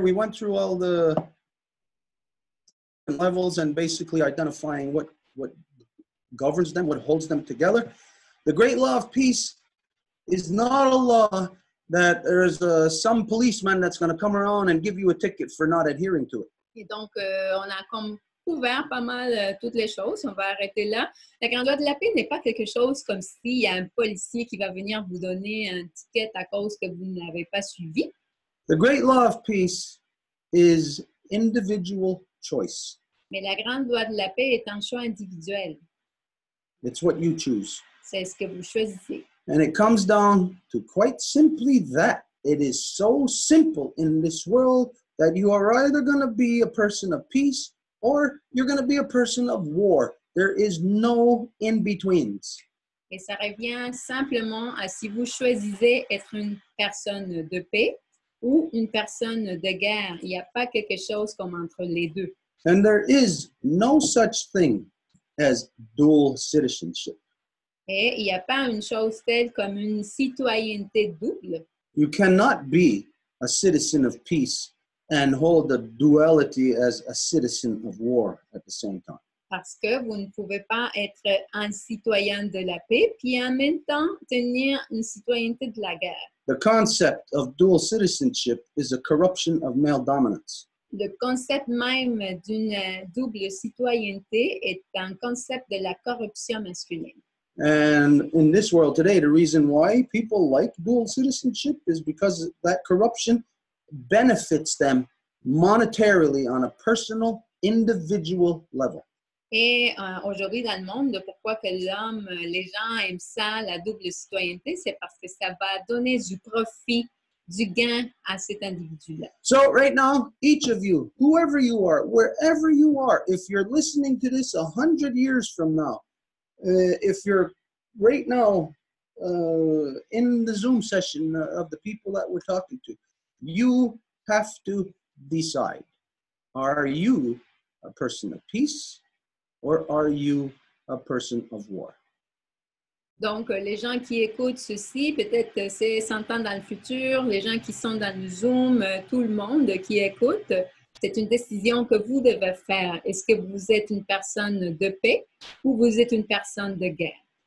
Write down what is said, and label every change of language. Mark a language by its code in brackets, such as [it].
[en] We went through all the levels and basically identifying what governs them, what holds them together. The great law of peace is not a law that there is some policeman that's going to come around and give you a ticket for not adhering to it. [fr] Et donc, on a comme couvert pas mal toutes les choses. On va arrêter là. La grande loi de la paix n'est pas quelque chose comme s'il y a un policier qui va venir vous donner un ticket à cause que vous n'avez pas suivi. [en] The great law of peace is individual choice. [fr] Mais la grande loi de la paix est un choix individuel. [en] It's what you choose. [fr] C'est ce que vous choisissez. [en] And it comes down to quite simply that. It is so simple in this world that you are either going to be a person of peace or you're going to be a person of war. There is no in-betweens. [fr] Et ça revient simplement à si vous choisissez être une personne de paix ou une personne de guerre. Il n'y a pas quelque chose comme entre les deux. [en] And there is no such thing as dual citizenship. [fr] Et il n'y a pas une chose telle comme une citoyenneté double. [en] You cannot be a citizen of peace and hold the duality as a citizen of war at the same time. [fr] Parce que vous ne pouvez pas être un citoyen de la paix puis en même temps tenir une citoyenneté de la guerre. [en] The concept of dual citizenship is a corruption of male dominance. [fr] Le concept même d'une double citoyenneté est un concept de la corruption masculine. [en] And in this world today, the reason why people like dual citizenship is because that corruption benefits them monetarily on a personal, individual level. [fr] Et aujourd'hui dans le monde, pourquoi que l'homme, les gens aiment ça, la double citoyenneté, c'est parce que ça va donner du profit, du gain à cet individu-là. [en] So right now, each of you, whoever you are, wherever you are, if you're listening to this 100 years from now, if you're right now in the Zoom session of the people that we're talking to, you have to decide, are you a person of peace? Or are you a person of war? [fr] Donc, les gens qui écoutent ceci, peut-être c'est 100 ans dans le futur, les gens qui sont dans le Zoom, tout le monde qui écoute, c'est une décision que vous devez faire. Est-ce que vous êtes une personne de paix ou vous êtes une personne de guerre?